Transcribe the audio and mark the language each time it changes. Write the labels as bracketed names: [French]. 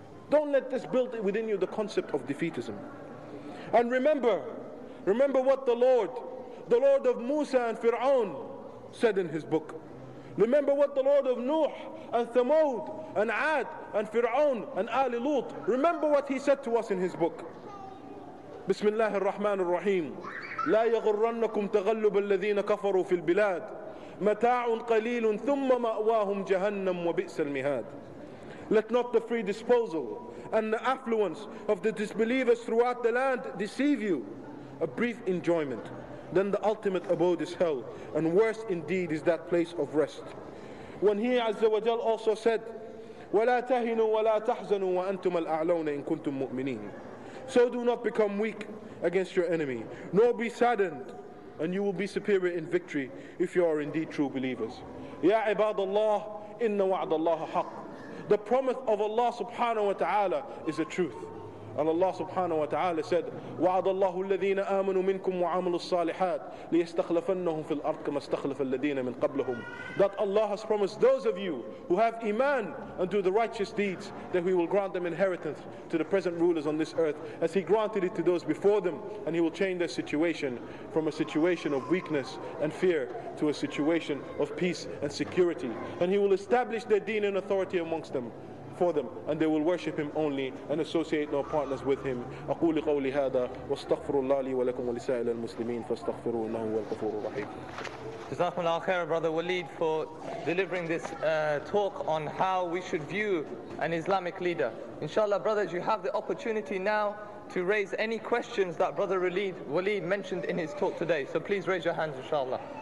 [English] Don't let this build within you the concept of defeatism. And remember what the Lord of Musa and Fir'aun said in his book. Remember what the Lord of Nuh and Thamud and Ad and Fir'aun and Ali Lut, remember what he said to us in his book. [Arabic] بسم الله الرحمن الرحيم لا يغرنكم تغلب الذين كفروا في البلاد متاع قليل ثم مأواهم جهنم وبئس المهاد. [English] Let not the free disposal and the affluence of the disbelievers throughout the land deceive you. A brief enjoyment, then the ultimate abode is hell, and worse indeed is that place of rest. When he Azza wa Jal also said [Arabic] ولا تهنوا ولا تحزنوا وأنتم الأعلون إن كنتم مؤمنين. [English] So do not become weak against your enemy, nor be saddened, and you will be superior in victory if you are indeed true believers. [Arabic] Ya ibadallah, inna wa'adallaha haq. [English] The promise of Allah subhanahu wa ta'ala is a truth. And Allah subhanahu wa ta'ala said, wa'adallahu alladhina amanu minkum wa'amalu s-salihat liyastakhlafannahum fil ard kama istakhlafa alladhina min qablihim. That Allah has promised those of you who have iman and do the righteous deeds that He will grant them inheritance to the present rulers on this earth as He granted it to those before them, and He will change their situation from a situation of weakness and fear to a situation of peace and security, and He will establish their deen and authority amongst them for them, and they will worship Him only and associate no partners with Him. [Arabic] أقول قولي هذا واستغفر الله لي ولكم ولسائر المسلمين فاستغفروا إنه هو الغفور الرحيم. [English] Jazakumullah khair, Brother Waleed, for delivering this talk on how we should view an Islamic leader. Inshallah, brothers, you have the opportunity now to raise any questions that Brother Waleed mentioned in his talk today. So please raise your hands, inshallah.